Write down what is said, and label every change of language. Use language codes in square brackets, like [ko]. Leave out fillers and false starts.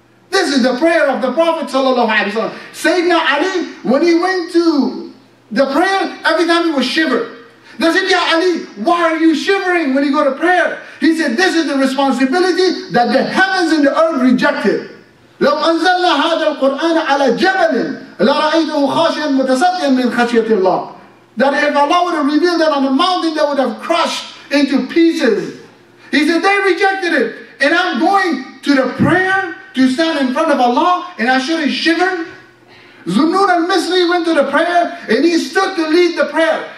[en] This is the prayer of the Prophet sallallahu alaihi wasallam. Sayyidina Ali, when he went to the prayer, every time he was shivered. They said, Ya Ali, why are you shivering when you go to prayer? He said, this is the responsibility that the heavens and the earth rejected. [ar] لو أنزلنا هذا القرآن على جبل لرأيته خاشعا متصديا من خشية الله. [en] That if Allah would have revealed it on a mountain, they would have crushed into pieces. He said, they rejected it. And I'm going to the prayer to stand in front of Allah, and I shouldn't shiver. Zunnun al-Misri went to the prayer, and he stood to lead the prayer.